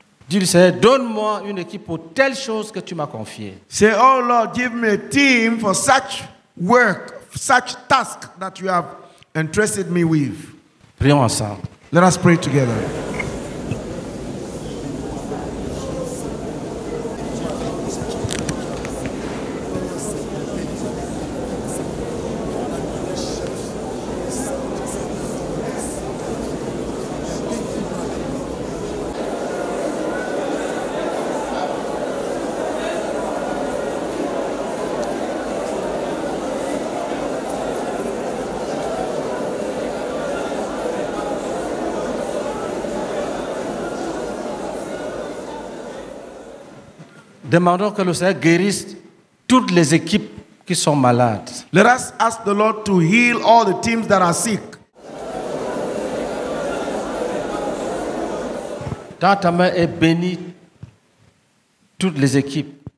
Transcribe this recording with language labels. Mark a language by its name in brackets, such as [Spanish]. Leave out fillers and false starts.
[French] Dis-lui, Seigneur, donne-moi une équipe pour telle chose que tu m'as confiée. [English] Say, oh Lord, give me a team for such work, such task that you have entrusted me with. [French] Prions ensemble. [English] Let us pray together. [French] Demandons que le Seigneur guérisse toutes les équipes qui sont malades. [English] Let us ask the Lord to heal all the teams that are sick. [French] Tends ta main et bénis toutes les équipes.